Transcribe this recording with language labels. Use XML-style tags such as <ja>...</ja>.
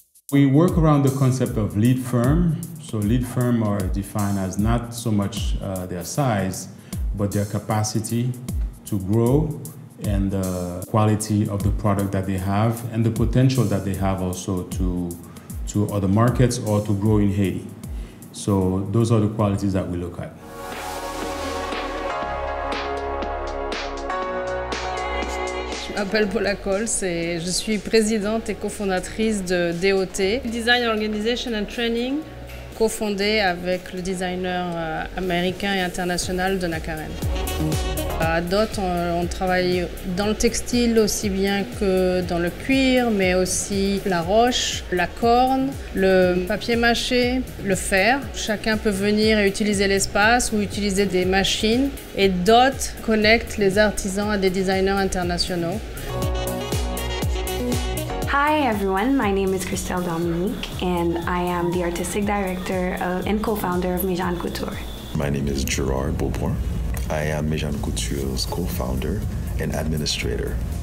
<en>We work around the concept of lead firm. So lead firm are defined as not so much their size, but their capacity to grow and the quality of the product that they have and the potential that they have also to other markets or to grow in Haiti. So those are the qualities that we look at.</en> <fr>Je m'appelle Paula Coles et je suis présidente et cofondatrice de D.O.T. Design Organization and Training, co-fondée avec le designer américain et international Donna Karen. À D.O.T, on travaille dans le textile aussi bien que dans le cuir, mais aussi la roche, la corne, le papier mâché, le fer. Chacun peut venir et utiliser l'espace ou utiliser des machines. Et D.O.T connecte les artisans à des designers internationaux.</fr> <en>Hi everyone, my name is Christelle Dominique and I am the artistic director and co-founder of MeJeanne Couture. My name is Gerard Beaubourg. I am MeJeanne Couture's co-founder and administrator.</en>